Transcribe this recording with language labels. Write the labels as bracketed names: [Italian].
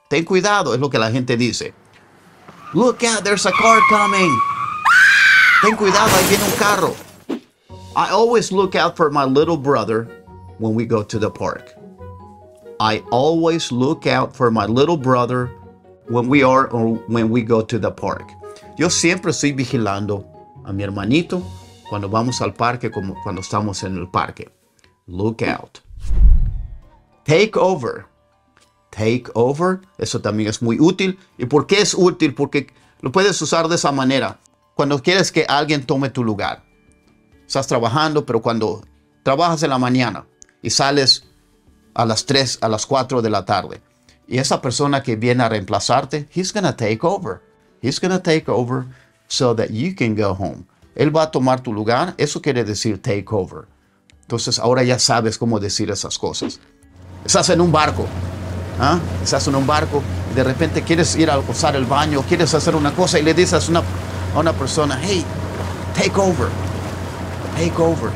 [Spanish] Ten cuidado, es lo que la gente dice. [English] Look out, there's a car coming. [Spanish] Ten cuidado, ahí viene un carro. [English] I always look out for my little brother when we go to the park. I always look out for my little brother when we go to the park. [Spanish] Yo siempre estoy vigilando a mi hermanito cuando vamos al parque, como cuando estamos en el parque. [English] Look out. Take over. Take over. [Spanish] Eso también es muy útil. ¿Y por qué es útil? Porque lo puedes usar de esa manera. Cuando quieres que alguien tome tu lugar. Estás trabajando, pero cuando trabajas en la mañana y sales a las 3, a las 4 de la tarde. Y esa persona que viene a reemplazarte, [English] he's going to take over. He's going to take over so that you can go home. [Spanish] Él va a tomar tu lugar. Eso quiere decir take over. Entonces, ahora ya sabes cómo decir esas cosas. Estás en un barco. ¿Ah? Estás en un barco. Y de repente quieres ir a usar el baño. Quieres hacer una cosa y le dices a una persona, [English] hey, take over, take over.